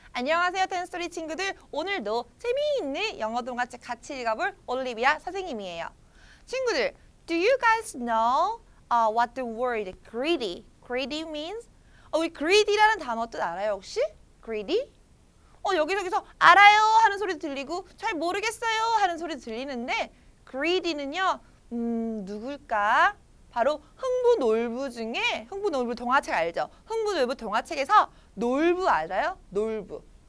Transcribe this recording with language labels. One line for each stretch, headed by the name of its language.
Korean: 안녕하세요, 텐스토리 친구들. 오늘도 재미있는 영어 동화책 같이 읽어볼 올리비아 선생님이에요.
English: 친구들, do you guys know what the word greedy? Greedy means?
Korean: 우리 greedy라는 단어도 알아요, 혹시? Greedy? 여기서 알아요 하는 소리도 들리고 잘 모르겠어요 하는 소리도 들리는데 greedy는요, 누굴까? 바로 흥부놀부 중에 흥부놀부 동화책 알죠? 흥부놀부 동화책에서 놀부 알아요? 놀부.